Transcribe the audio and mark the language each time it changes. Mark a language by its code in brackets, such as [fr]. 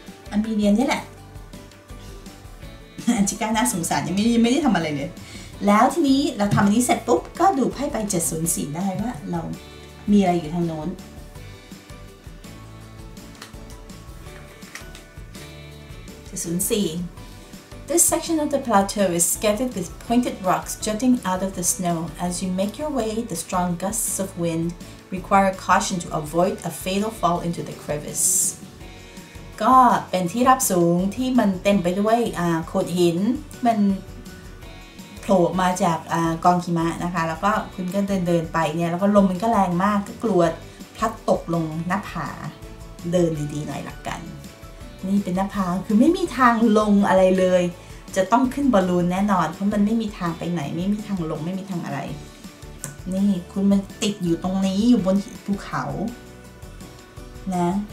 [th] อันบีเรียนนี่แหละอันชิก้าน่าสงสารยังไม่ได้ทำอะไรเลยแล้วทีนี้เราทำอันนี้เสร็จปุ๊บก็ดูไพ่ใบ704ได้ว่าเรามีอะไรอยู่ทางโน้นเจ็ดศูนย์สี่ [en] This section of the plateau is scattered with pointed rocks jutting out of the snow. As you make your way, the strong gusts of wind require caution to avoid a fatal fall into the crevice. [th] ก็เป็นที่รับสูงที่มันเต็มไปด้วยโขดหินมันโผล่มาจากกองหิมะนะคะแล้วก็คุณก็เดินไปเนี่ยแล้วก็ลมมันก็แรงมากก็กลัวพลัดตกลงหน้าผาเดินดีๆหน่อยละกันนี่เป็นหน้าผาคือไม่มีทางลงอะไรเลยจะต้องขึ้นบอลลูนแน่นอนเพราะมันไม่มีทางไปไหนไม่มีทางลงไม่มีทางอะไรนี่คุณมันติดอยู่ตรงนี้อยู่บนภูเขานะ